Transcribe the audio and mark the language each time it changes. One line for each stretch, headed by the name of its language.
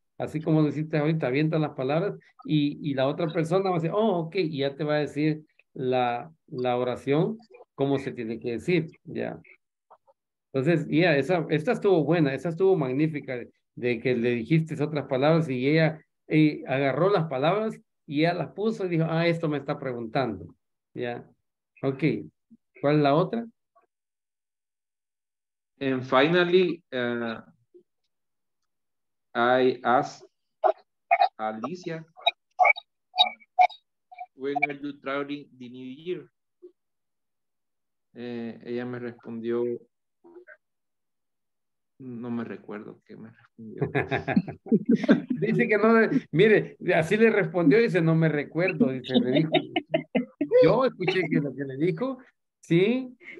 Spanish: Así como lo hiciste ahorita, avienta las palabras y la otra persona va a decir, oh, ok, y ya te va a decir la oración, cómo se tiene que decir, ya. Entonces, ya, esta estuvo buena, esta estuvo magnífica, de que le dijiste otras palabras y ella agarró las palabras y ya las puso y dijo, ah, esto me está preguntando, ya. Ok, ¿cuál es la otra?
English: And finally, I asked Alicia, when are you traveling the new year?
Spanish: Ella me respondió, no me recuerdo qué me respondió. Dice que no, mire, así le respondió, dice, no me recuerdo, dice, le dijo. Yo escuché que lo que le dijo, sí.